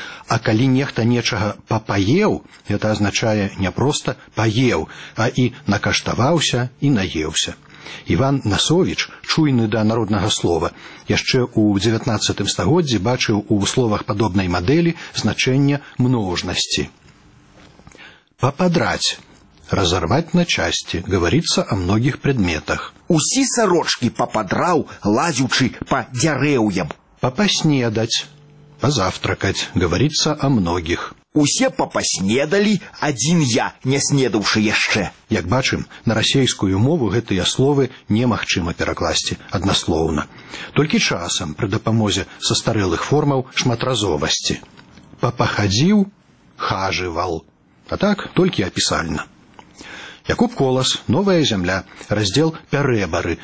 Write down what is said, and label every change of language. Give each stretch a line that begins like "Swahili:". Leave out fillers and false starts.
Belarusian: А калі нехта нечага папаеў, гэта азначае не проста паеў, а і накаштаваўся і наеўся. Іван Насовіч, чуйны да народнага слова, яшчэ ў 19 стагоддзі бачыў у словах падобнай мадэлі значэнне множнасці.
Russian: «Пападраць» – разорвать на части, говорится о многих предметах.
Belarusian: «Усі сорочки пападрау, лазючи по дзярэўям».
Russian: «Попаснедать» – позавтракать, говорится о многих.
Belarusian: «Усе попаснедали, один я, не снедавши яшчэ». Як бачым, на расейскую мову гэтыя словы немагчыма перакласці аднаслоўна. Толькі часам пры дапамозе састарэлых формаў шматразовасці. «Папахадзіў» – хажывал. А так, толькі апісальна. Якуб Колас, «Новая зямля», раздзел «Пярэбары».